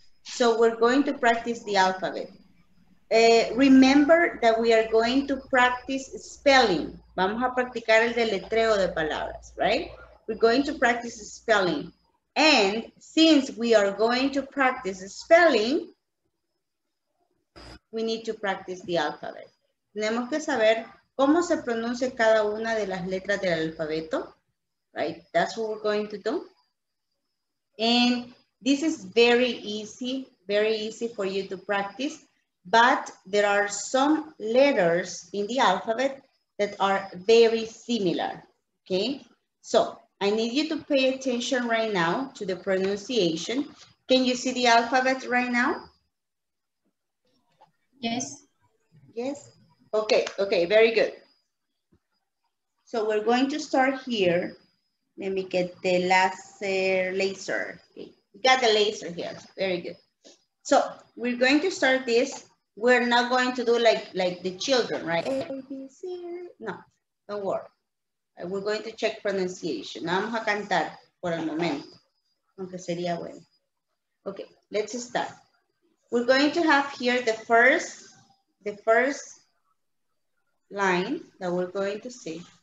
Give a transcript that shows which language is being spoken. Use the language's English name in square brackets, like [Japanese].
[English] So we're going to practice the alphabet. Remember that we are going to practice spelling. [Spanish] Vamos a practicar el deletreo de palabras, right? [English] We're going to practice spelling. And since we are going to practice spelling, we need to practice the alphabet. [Spanish] Tenemos que saber cómo se pronuncia cada una de las letras del alfabeto, right? [English] That's what we're going to do. And this is very easy for you to practice. But there are some letters in the alphabet that are very similar, okay? So, I need you to pay attention right now to the pronunciation. Can you see the alphabet right now? Yes. Yes? Okay, okay, very good. So, we're going to start here. Let me get the laser. Okay. You got the laser here, very good. So, we're going to start this. We're not going to do like the children, right? A, B, C, no, don't worry. We're going to check pronunciation. [Spanish] Vamos a cantar por el momento, aunque sería bueno. [English] Okay, let's start. We're going to have here the first line that we're going to see.